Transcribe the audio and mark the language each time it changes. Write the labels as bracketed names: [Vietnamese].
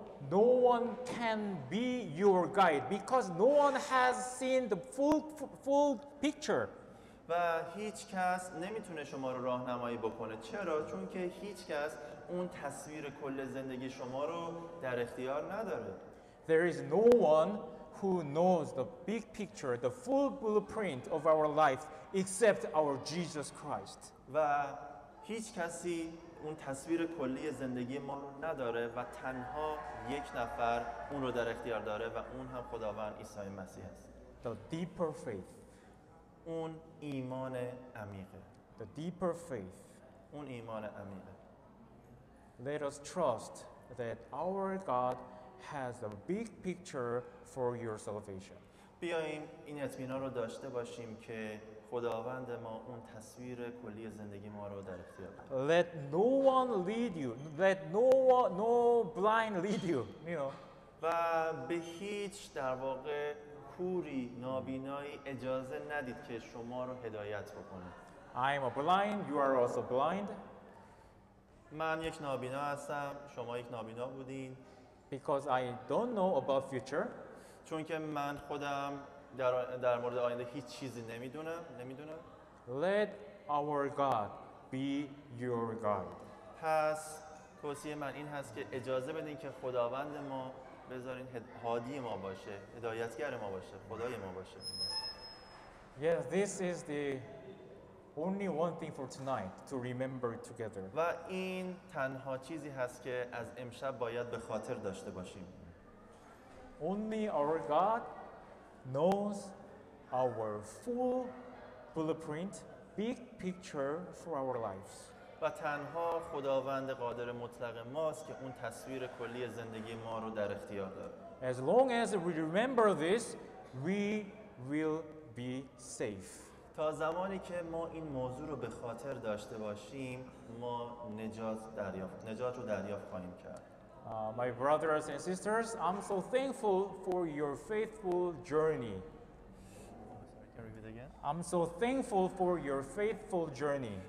[English] No one can be your guide because no one has seen the full picture. [Persian] و هیچ کس نمیتونه شما رو راهنمایی بکنه. چرا؟ چون که هیچ کس اون تصویر کل زندگی شما رو در اختیار نداره. [English] There is no one who knows the big picture, the full blueprint of our life except our Jesus Christ. [Persian] و هیچ کسی اون تصویر کلی زندگی ما رو نداره و تنها یک نفر اون رو در اختیار داره و اون هم خداوند عیسی مسیح است. [English] The deeper faith. [Persian] اون ایمان عمیقه. [English] The deeper faith. [Persian] اون ایمان عمیقه. [English] Let us trust that our God has a big picture for your salvation. [Persian] بیاییم این اطمینان رو داشته باشیم که خداوند ما اون تصویر کلی زندگی ما رو در اختیار داره. [English] Let no one lead you. Let no blind lead you. [Persian] و به هیچ در واقع کوری نابینایی اجازه ندید که شما رو هدایت بکنه. [English] I am a blind. You are also blind. [Persian] من یک نابینا هستم. شما یک نابینا بودین. [English] Because I don't know about future. [Persian] چون که من خودم در مورد آینده هیچ چیزی نمیدونم. [English] Let our God be your God. [Persian] پس توصیه من این هست که اجازه بدین که خداوند ما بذارین هادی ما باشه، هدایتگر ما باشه، خدای ما باشه. [English] Yes, this is the only one thing for tonight to remember together. [Persian] و این تنها چیزی هست که از امشب باید به خاطر داشته باشیم. [English] Only our God knows our full blueprint, big picture for our lives. [Persian] و تنها خداوند قادر مطلق ماست که اون تصویر کلی زندگی ما رو در اختیار داره. [English] As long as we remember this, we will be safe. [Persian] تا زمانی که ما این موضوع رو به خاطر داشته باشیم، ما نجات رو دریافت خواهیم کرد. [English] My brothers and sisters, I'm so thankful for your faithful journey. I'm so thankful for your faithful journey.